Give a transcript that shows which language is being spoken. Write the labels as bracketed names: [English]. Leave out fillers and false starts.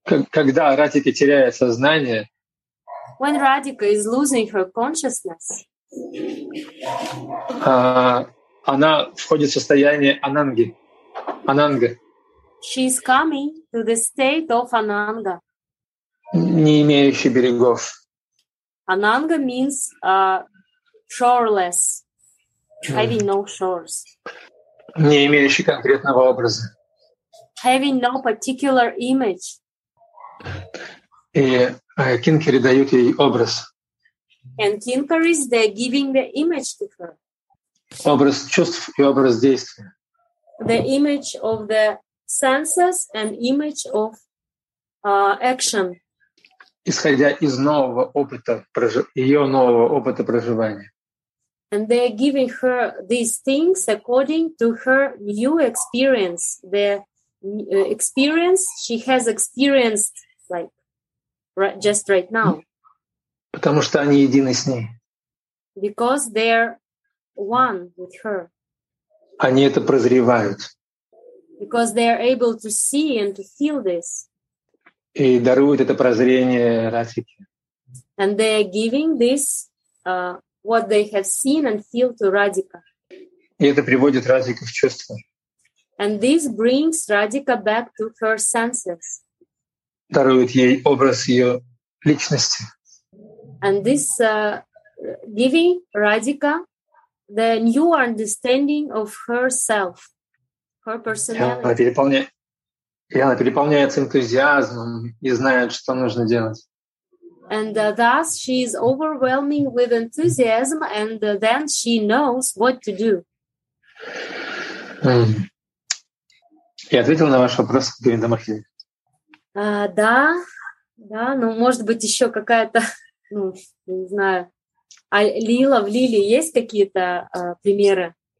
[Russian] Когда Радика теряет сознание, [English] when Radhika is losing her consciousness, [Russian] она входит в состояние ананги. Ананга. [English] She is coming to the state of ananga. [Russian] Не имеющий берегов. [English] Ananga means shoreless, having no shores. [Russian] Не имеющий конкретного образа. [English] Having no particular image. [Russian] И Кинкари дают ей образ. [English] And Kinkaris, they're giving the image to her. [Russian] Образ чувств и образ действия. [English] The image of the senses and image of action. [Russian] Исходя из нового опыта, ее нового опыта проживания. [English] And they're giving her these things according to her new experience. The experience she has experienced like just right now. [Russian] Потому что они едины с ней. [English] Because they're one with her. [Russian] Они это прозревают. [English] Because they are able to see and to feel this. [Russian] И даруют это прозрение Радхике. [English] And they are giving this what they have seen and feel to Radhika. [Russian] И это приводит Радхику в чувство. [English] And this brings Radhika back to her senses. [Russian] Дарует ей образ ее личности. [English] And this giving Radhika the new understanding of herself, her personality. [Russian] И она переполняется энтузиазмом и знает, что нужно делать. [English] And thus she is overwhelming with enthusiasm, and then she knows what to do. [Russian] Я ответил на ваш вопрос, Говинда Махни. Да, ну, может быть, еще какая-то, ну, не знаю, лила в лиле есть какие-то примеры?